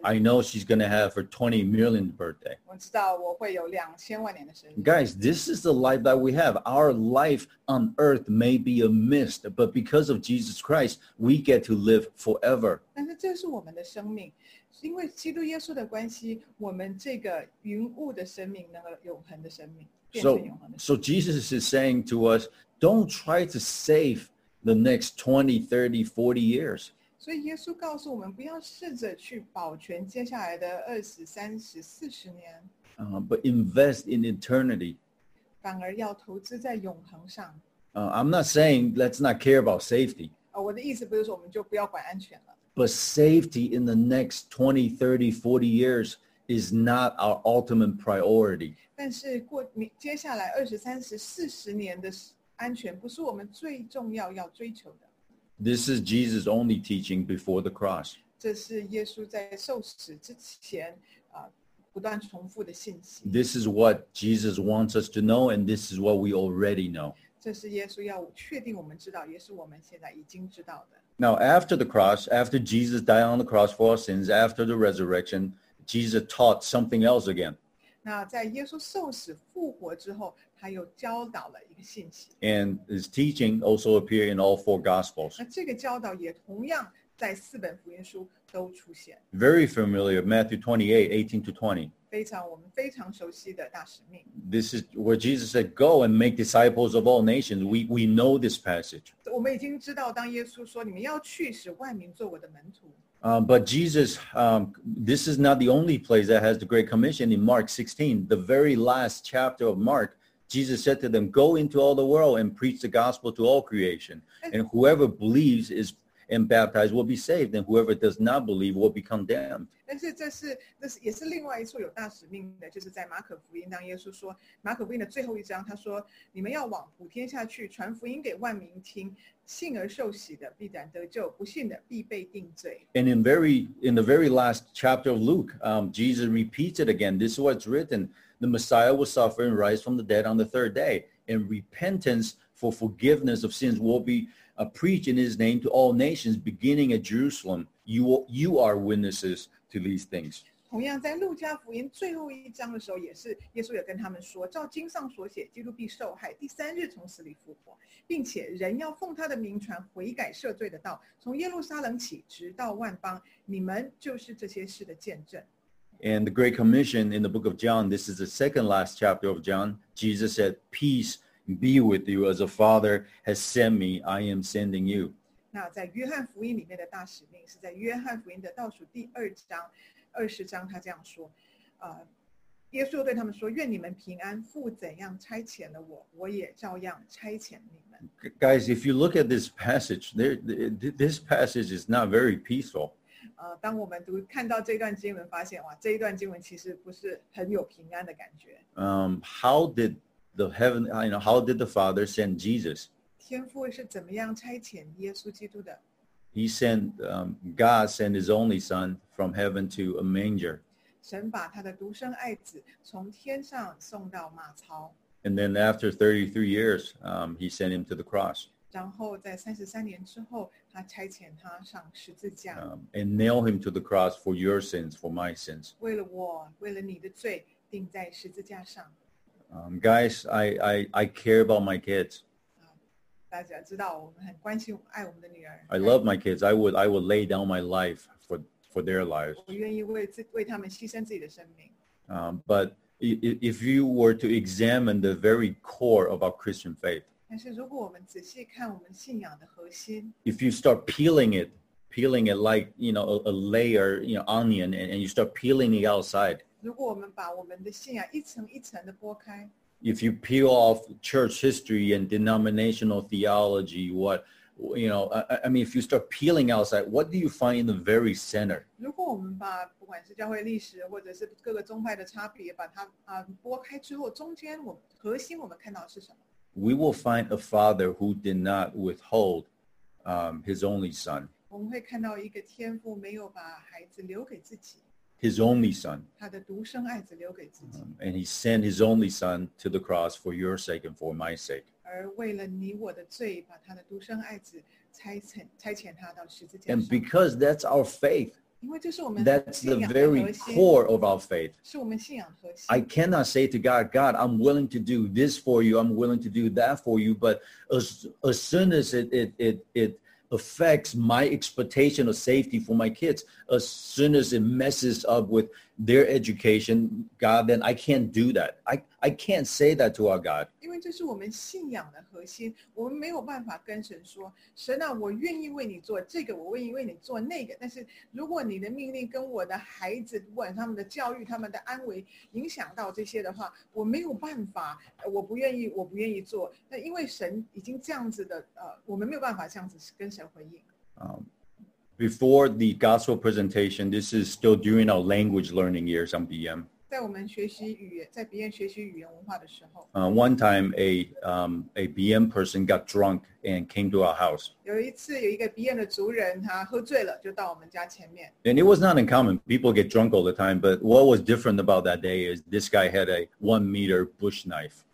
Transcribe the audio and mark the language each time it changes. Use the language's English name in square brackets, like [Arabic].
[English] I know she's going to have her 20 millionth birthday. [Chinese] 我知道我会有2000万年的生日。 [English] Guys, this is the life that we have. Our life on earth may be a mist, but because of Jesus Christ, we get to live forever. [Chinese] 但是这是我们的生命。因为基督耶稣的关系，我们这个云雾的生命，那个永恒的生命，变成永恒的生命。 [English] So Jesus is saying to us, don't try to save the next 20, 30, 40 years. [Chinese] 所以耶稣告诉我们，不要试着去保全接下来的20、30、40年。 [English] But invest in eternity. [Chinese] 反而要投资在永恒上。 [English] I'm not saying let's not care about safety. [Chinese] 我的意思不是说我们就不要管安全了。 [English] But safety in the next 20, 30, 40 years is not our ultimate priority. [Chinese] 但是过接下来20、30、40年的安全不是我们最重要要追求的。 [English] This is Jesus' only teaching before the cross. [Chinese] 这是耶稣在受死之前不断重复的信息。 [English] This is what Jesus wants us to know, and this is what we already know. [Chinese] 这是耶稣要确定我们知道，也是我们现在已经知道的。 [English] Now, after the cross, after Jesus died on the cross for our sins, after the resurrection, Jesus taught something else again. [Chinese] 那在耶稣受死复活之后，他又教导了一个信息。 [English] And his teaching also appeared in all four Gospels. [Chinese] 那这个教导也同样在四本福音书都出现。 [English] Very familiar, Matthew 28, 18 to 20. [Chinese] 非常我们非常熟悉的大使命。 [English] This is where Jesus said, go and make disciples of all nations. We know this passage. [Chinese] 我们已经知道当耶稣说你们要去使万民做我的门徒。 [English] But Jesus, this is not the only place that has the Great Commission. In Mark 16, the very last chapter of Mark, Jesus said to them, go into all the world and preach the gospel to all creation. And whoever believes is and baptized will be saved, and whoever does not believe will be condemned. [Chinese] 但是这是也是另外一处有大使命的，就是在马可福音，当耶稣说马可福音的最后一章，他说你们要往普天下去传福音给万民听，信而受洗的必然得救，不信的必被定罪。 [English] And in the very last chapter of Luke, Jesus repeats it again. This is what's written, the Messiah will suffer and rise from the dead on the third day, and repentance for forgiveness of sins will bePreach in his name to all nations, beginning at Jerusalem. You are witnesses to these things. [Chinese] 同样在路加福音最后一章的时候，也是耶稣也跟他们说，照经上所写，基督必受害，第三日从死里复活，并且人要奉他的名传悔改赦罪的道，从耶路撒冷起，直到万邦，你们就是这些事的见证。 [English] And the Great Commission in the book of John, this is the second last chapter of John, Jesus said, peace be with you as a father has sent me, I am sending you. [Chinese] 那在约翰福音里面的大使命是在约翰福音的倒数第二章，二十章他这样说，耶稣对他们说，愿你们平安，父怎样差遣了我，我也照样差遣你们。 [English] Guys, if you look at this passage, this passage is not very peaceful. [Chinese] 当我们读看到这段经文发现，哇，这一段经文其实不是很有平安的感觉。 [English] How did the heaven, you know, how did the Father send Jesus? [Chinese] 天父是怎么样差遣耶稣基督的？ [English] He sent, God sent his only son from heaven to a manger. [Chinese] 神把他的独生爱子从天上送到马槽。 [English] And then after 33 years, he sent him to the cross. [Chinese] 然后在33年之后，他差遣他上十字架。 [English] And nailed him to the cross for your sins, for my sins. [Chinese] 为了我，为了你的罪，钉在十字架上。 [English] Guys, I care about my kids. [Chinese] 大家知道我们很关心爱我们的女儿。 [English] I love my kids. I would lay down my life for their lives. [Chinese] 我愿意为他们牺牲自己的生命。 [English] But if you were to examine the very core of our Christian faith, [Chinese] 但是如果我们仔细看我们信仰的核心， [English] if you start peeling it like, you know, a layer, you know, onion, and you start peeling the outside. [Chinese] 如果我们把我们的信仰一层一层的剥开， [English] if you peel off church history and denominational theology, what, you know, I mean, if you start peeling outside, what do you find in the very center? [Chinese] 如果我们把不管是教会历史或者是各个宗派的差别把它剥开之后，中间我们核心我们看到是什么？ [English] We will find a father who did not withhold his only son. [Chinese] 我们会看到一个天父没有把孩子留给自己。 [English] His only son. [Chinese] 他的独生爱子留给自己。 [English] And he sent his only son to the cross for your sake and for my sake. [Chinese] 而为了你我的罪，把他的独生爱子差遣他到十字架上。 [English] And because that's our faith. [Chinese] 因为这是我们。 [English] That's the very core of our faith. [Chinese] 是我们信仰核心。 [English] I cannot say to God, God, I'm willing to do this for you. I'm willing to do that for you. But as soon as it affects my expectation of safety for my kids, as soon as it messes up with their education, God, then I can't do that. I can't say that to our God. [Chinese] 因为这是我们信仰的核心，我们没有办法跟神说，神啊，我愿意为你做这个，我愿意为你做那个，但是如果你的命令跟我的孩子，不管他们的教育，他们的安危，影响到这些的话，我没有办法，我不愿意做。那因为神已经这样子的，我们没有办法这样子跟神回应。 [English] Before the gospel presentation, this is still during our language learning years on BM. [Chinese] 在我们学习语言，在 BM 学习语言文化的时候。 [English] One time, a BM person got drunk and came to our house. [Chinese] 有一次，有一个 BM 的族人，他喝醉了，就到我们家前面。 [English] And it was not uncommon. People get drunk all the time. But what was different about that day is this guy had a 1 meter bush knife.